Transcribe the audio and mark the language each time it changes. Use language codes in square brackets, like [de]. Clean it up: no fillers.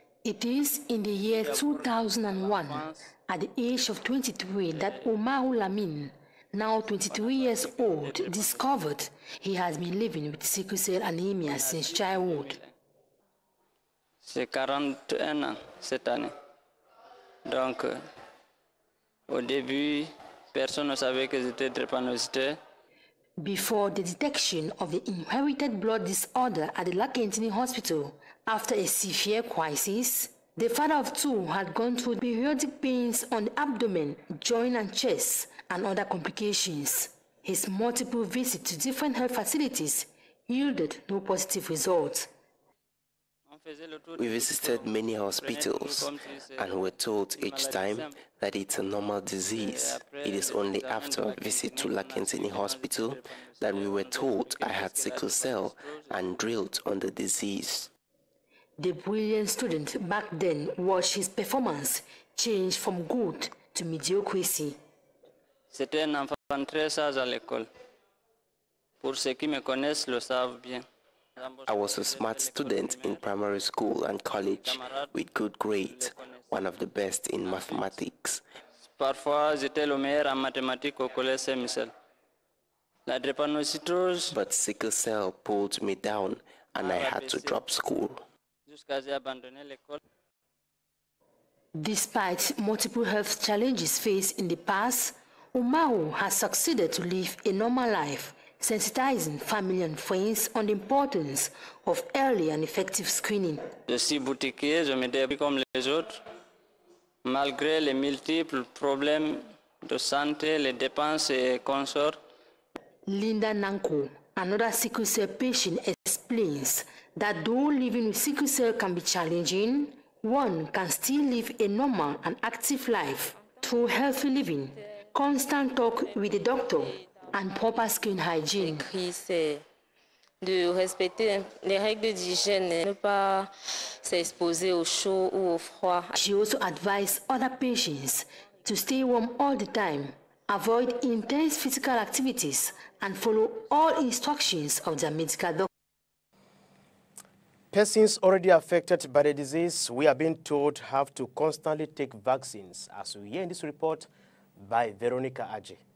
[en] It is in the year 2001, at the age of 23, that Umaru Lamine, now 23 years old, discovered he has been living with sickle cell anemia since childhood. [fr] C'est 41 ans cette année. Donc, au début, personne ne savait que j'étais drépanocytaire. [en] Before the detection of the inherited blood disorder at the Lakentini Hospital, after a severe crisis, the father of two had gone through periodic pains on the abdomen, joint and chest, and other complications. His multiple visits to different health facilities yielded no positive results. We visited many hospitals and were told each time that it's a normal disease. It is only after a visit to Lakentini Hospital that we were told I had sickle cell and drilled on the disease. The brilliant student back then watched his performance change from good to mediocrity. [fr] C'était un enfant très sage à l'école. Pour ceux qui me connaissent, le savent bien. [en] I was a smart student in primary school and college with good grades, one of the best in mathematics. [fr] Parfois, j'étais le meilleur en mathématiques au collège Saint-Michel. La drépanocytose. [en] But sickle cell pulled me down and I had to drop school. Despite multiple health challenges faced in the past, Umaru has succeeded to live a normal life, sensitizing family and friends on the importance of early and effective screening. [fr] Je suis boutiquier, je me débrouille comme les autres. Malgré les multiples problèmes de santé, les dépenses et consorts. [en] Linda Nanko, another sickle cell patient, explains that though living with sickle cell can be challenging, one can still live a normal and active life through healthy living, constant talk with the doctor, and proper skin hygiene. [fr] C'est de respecter les règles d'hygiène, ne pas s'exposer au chaud ou au froid. [en] She also advises other patients to stay warm all the time, avoid intense physical activities, and follow all instructions of their medical doctor. Persons already affected by the disease, we are being told, have to constantly take vaccines, as we hear in this report by Veronica Aje.